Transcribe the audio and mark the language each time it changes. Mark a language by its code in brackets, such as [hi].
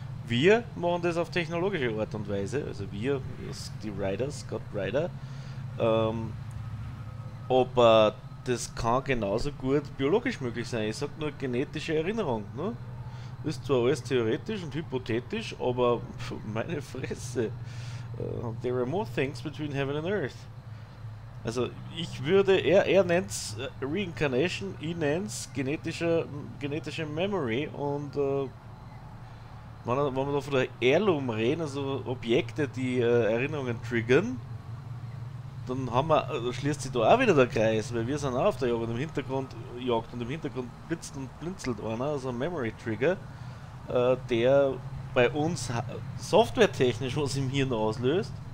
[de] Wir machen das auf technologische Art und Weise, also wir, die Riders, Scott Rider. Aber das kann genauso gut biologisch möglich sein. Ich sag nur genetische Erinnerung. Ne? Ist zwar alles theoretisch und hypothetisch, aber pf, meine Fresse. [en] There are more things between heaven and earth. [de] Also ich würde, er nennt's Reincarnation, ich nenn's genetische Memory und wenn wir da von der Heirloom reden, also Objekte, die Erinnerungen triggern, dann haben wir, also schließt sich da auch wieder der Kreis, weil wir sind auch auf der Jagd und im Hintergrund jagt und im Hintergrund blitzt und blinzelt einer, also ein Memory-Trigger, der bei uns softwaretechnisch was im Hirn auslöst.